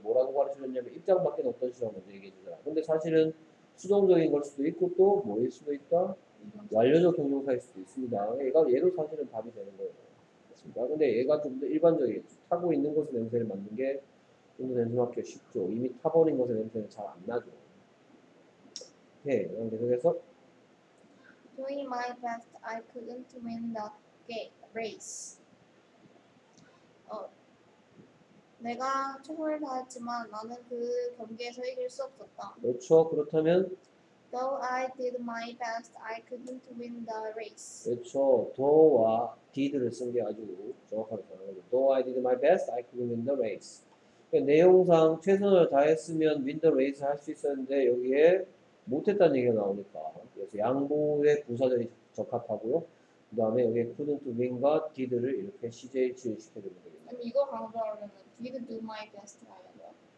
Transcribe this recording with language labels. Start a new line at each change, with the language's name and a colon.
Korean: 뭐라고 가르쳐줬냐면, 입장 밖에 어떤 식으로 먼저 얘기해주더라. 근데 사실은 수동적인 걸 수도 있고, 또 뭐일 수도 있다? 완료적 동명사일 수도 있습니다. 얘도 사실은 답이 되는 거예요. 맞습니다. 근데 얘가 좀더 일반적이겠죠. 타고 있는 곳에 냄새를 맡는 게, 좀더 냄새 맡기 쉽죠. 이미 타버린 곳에 냄새는 잘안 나죠. 오케이, 그럼 계속해서.
English: Doing my best, I couldn't win the race.
Korean: 내가 총을 다했지만 나는 그 경기에서 이길 수 없었다. 그렇죠. 그렇다면
English: Though I did my best, I couldn't win the race.
Korean: 그렇죠. Though와 did를 쓴게 아주 정확하게 다른 거죠.
English: Though I did my best, I couldn't win the race.
Korean: 내용상 최선을 다했으면
English: win the race
Korean: 할수 있었는데 여기에 못했다는 얘기가 나오니까 그래서 양보의 부사절이 적합하고요. 그 다음에 여기에
English: couldn't win
Korean: 과 did를 이렇게 CJ 추리시켜주면 되겠네요. 이거 강조하려면
English: did do my best
Korean: 하려고요.